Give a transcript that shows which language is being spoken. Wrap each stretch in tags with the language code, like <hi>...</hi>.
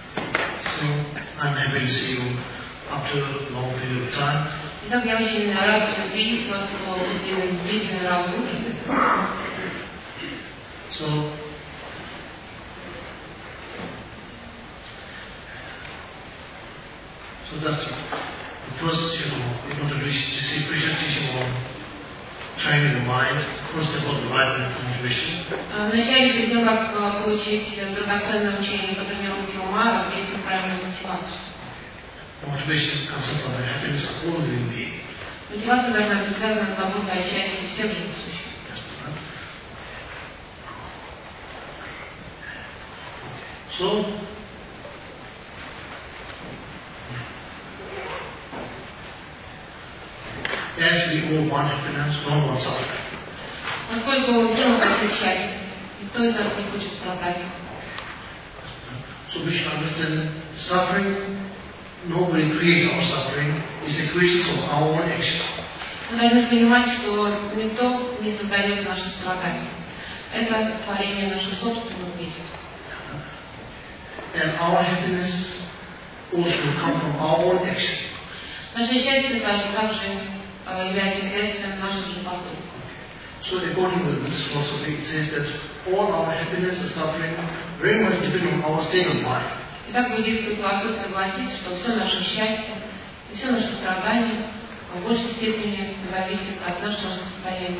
<en>and heaven is evil after a long period of time.</en> <ru>Итак, я очень рад, что ты смог сделать действительно разумный.</ru> <en>So, so that's the first, you know, we want to reach to see Krishna's teaching on training the mind. First of all, the right motivation.</en> <ru>Вначале перед тем, как получить драгоценное учение по тренировке ума, развить правильную мотивацию.</ru> <en>Motivation comes from the happiness of all living beings.</en> <ru>Мотивация должна быть связана с заботой о счастье всех живых существ.</ru> <en>So, as we all want happiness, no one wants suffering.</en> <ru>Поскольку все мы хотим счастья, никто из нас не хочет страдать.</ru> <en>So we should understand suffering. Nobody creates our suffering. It's a question of our own action.</en> <ru>Мы должны понимать, что никто не создает наши страдания. Это творение наших собственных действий.</ru> <en>And our happiness also comes from our own action.</en> <ru>Наше счастье также является следствием наших же поступков.</ru> <en>So according to this philosophy, it says that all our happiness and suffering very much depend on our state of mind.</en> <ru>Итак, буддийская философия гласит, что все наше счастье и все наши страдания в большей степени зависят от нашего состояния</ru>